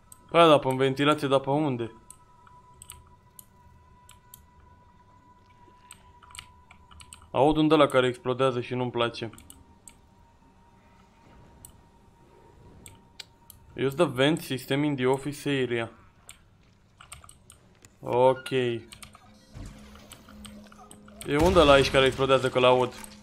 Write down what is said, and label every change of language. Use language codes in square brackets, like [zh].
[ro] Păi da, prin ventilație, dar pe unde? Aud un de la care explodează și nu-mi place. [en] Use the vent system in the office area. [ro] Ok. E unde ăla aici care explodează că-l aud?